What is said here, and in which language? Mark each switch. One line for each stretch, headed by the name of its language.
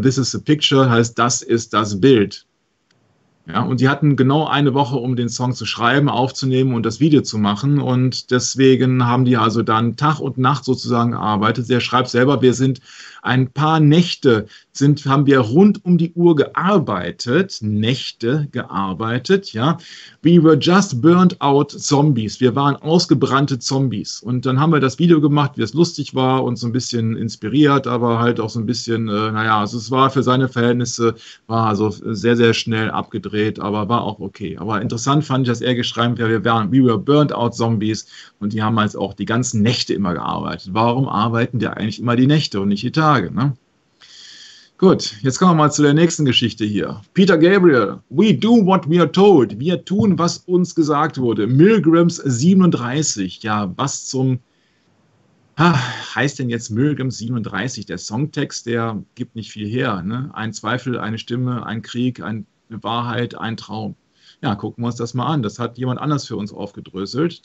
German: This is the Picture heißt, das ist das Bild. Ja, und die hatten genau eine Woche, um den Song zu schreiben, aufzunehmen und das Video zu machen. Und deswegen haben die also dann Tag und Nacht sozusagen gearbeitet. Er schreibt selber, wir sind ein paar Nächte, haben wir rund um die Uhr gearbeitet, Nächte gearbeitet, ja.
English: We were just burned out Zombies.
German: Wir waren ausgebrannte Zombies. Und dann haben wir das Video gemacht, wie es lustig war und so ein bisschen inspiriert, aber halt auch so ein bisschen, naja, also es war für seine Verhältnisse, war also sehr, sehr schnell abgedreht, aber war auch okay. Aber interessant fand ich, dass er geschrieben hat,
English: we were burned out Zombies,
German: und die haben halt auch die ganzen Nächte immer gearbeitet. Warum arbeiten die eigentlich immer die Nächte und nicht die Tage, ne? Gut, jetzt kommen wir mal zu der nächsten Geschichte hier.
English: Peter Gabriel, we do what we are told.
German: Wir tun, was uns gesagt wurde. Milgrams 37. Ja, was zum... heißt denn jetzt Milgrams 37? Der Songtext, der gibt nicht viel her, ne? Ein Zweifel, eine Stimme, ein Krieg, eine Wahrheit, ein Traum. Ja, gucken wir uns das mal an. Das hat jemand anders für uns aufgedröselt.